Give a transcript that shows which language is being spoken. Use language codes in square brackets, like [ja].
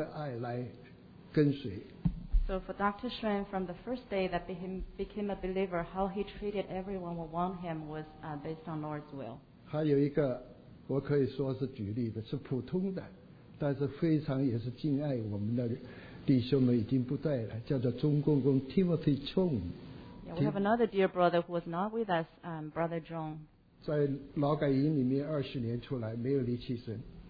[zh] 从他信主耶稣，从他的工作，从他以后对待同工、对待我们的弟兄姐妹们，都是同样的以主的爱来跟随。 [en] So for Dr. Shen, from the first day that he became a believer, how he treated everyone who wanted him was based on Lord's will. [zh] 还有一个我可以说是举例的，是普通的，但是非常也是敬爱我们的弟兄们已经不在了，叫做中公公Timothy Chong. [en] Yeah, we have another dear brother who was not with us, Brother John. [zh] 在劳改营里面20年出来，没有离弃神。